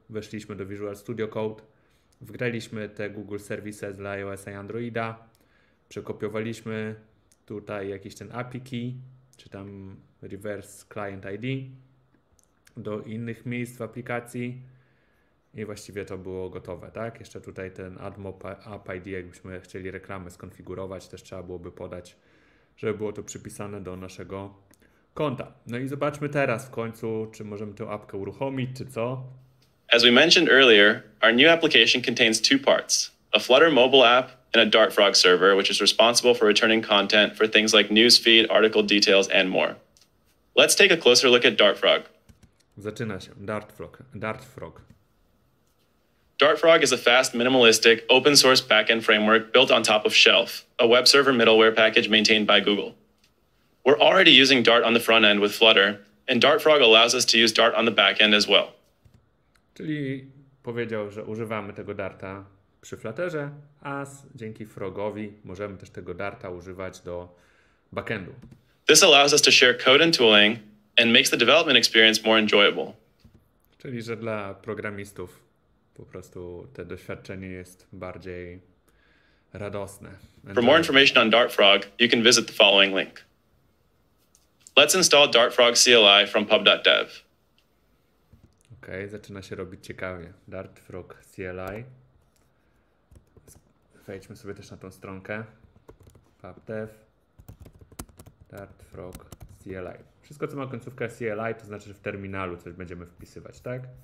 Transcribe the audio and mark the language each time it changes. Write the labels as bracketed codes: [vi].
[pl] Weszliśmy do Visual Studio Code, wgraliśmy te Google Services dla iOS i Androida, przekopiowaliśmy tutaj jakiś ten API key, czy tam reverse client ID do innych miejsc w aplikacji i właściwie to było gotowe, tak? Jeszcze tutaj ten AdMob App ID, jakbyśmy chcieli reklamy skonfigurować, też trzeba byłoby podać, żeby było to przypisane do naszego konta. No i zobaczmy teraz w końcu, czy możemy tę apkę uruchomić, czy co. [en] As we mentioned earlier, our new application contains two parts, a Flutter mobile app and a DartFrog server, which is responsible for returning content for things like newsfeed, article details and more. Let's take a closer look at DartFrog. [pl] Zaczyna się. DartFrog. DartFrog. [en] DartFrog is a fast, minimalistic, open-source backend framework built on top of Shelf, a web server middleware package maintained by Google. We're already using Dart on the front end with Flutter, and DartFrog allows us to use Dart on the back end as well. [pl] Czyli powiedział, że używamy tego Darta przy Flutterze, a dzięki Frogowi możemy też tego Darta używać do backendu. [en] This allows us to share code and tooling, and makes the development experience more enjoyable. [pl] Czyli że dla programistów po prostu to doświadczenie jest bardziej radosne. [en] For more information on DartFrog, you can visit the following link. Let's install DartFrog CLI from pub.dev. [pl] Okej, zaczyna się robić ciekawie. DartFrog CLI. Wejdźmy sobie też na tą stronkę. Pub.dev. DartFrog CLI. Wszystko, co ma końcówkę CLI, to znaczy, że w terminalu coś będziemy wpisywać, tak?